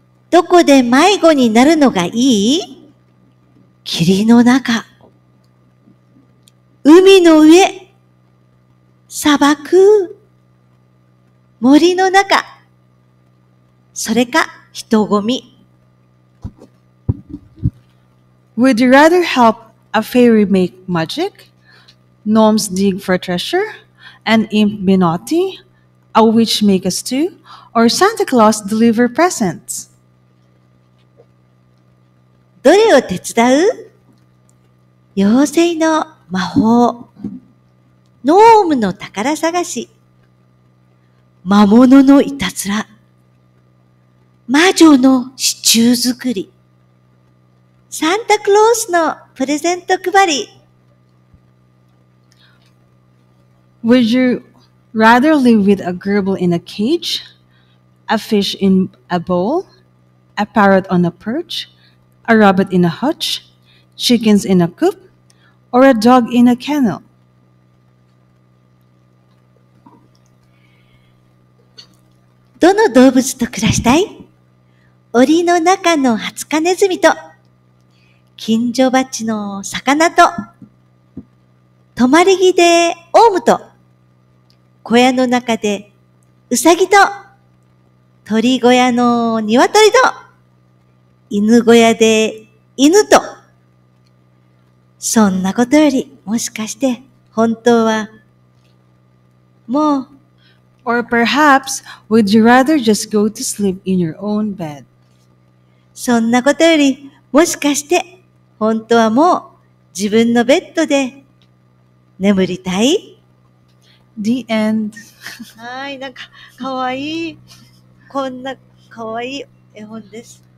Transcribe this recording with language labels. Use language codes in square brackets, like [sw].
[ja] どこで迷子になるのがいい？霧の中。海の上、砂漠、森の中、それか人混み。 [en] Would you rather help a fairy make magic, gnomes dig for treasure, an imp be naughty, a witch make a stew, or Santa Claus deliver presents? [ja] どれを手伝う？妖精の魔法、ノームの宝探し、魔物のいたずら、魔女のシチュー作り、サンタクロースのプレゼント配り。 [en] Would you rather live with a gerbil in a cage, a fish in a bowl, a parrot on a perch, a rabbit in a hutch, chickens in a coop? Or a dog in a kennel. [ja] どの動物と暮らしたい？檻の中のハツカネズミと、近所バチの魚と、泊まり木でオウムと、小屋の中でウサギと、鳥小屋のニワトリと、犬小屋で犬と、そんなことより、もしかして、本当は、もう。 [en] Or perhaps, would you rather just go to sleep in your own bed? [ja] そんなことより、もしかして、本当はもう、自分のベッドで、眠りたい？ [en] The end. [ja] はい、なんか、かわいい。こんな、かわいい絵本です。